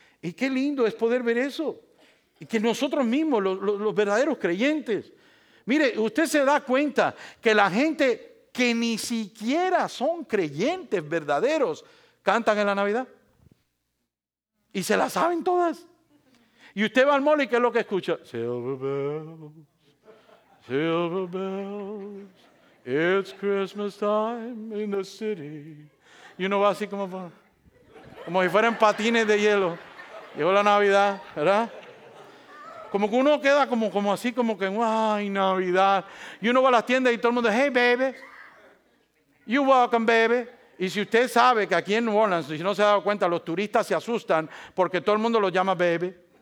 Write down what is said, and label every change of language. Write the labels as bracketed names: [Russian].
[Spanish] Y qué lindo es poder ver eso. Y que nosotros mismos, los verdaderos creyentes. Mire, usted se da cuenta que la gente que ni siquiera son creyentes verdaderos, cantan en la Navidad y se la saben todas. Y usted va al mall y ¿qué es lo que escucha? [English] Silver bells, silver bells, it's Christmas time in the city. [Spanish] Y uno va así como si fueran patines de hielo. Llegó la Navidad, ¿verdad? Como que uno queda como así, como que ¡ay, Navidad! Y uno va a las tiendas y todo el mundo, [English] ¡hey, baby! You welcome, baby. [Spanish] Y si usted sabe que aquí en New Orleans, si no se ha dado cuenta, los turistas se asustan porque todo el mundo los llama baby.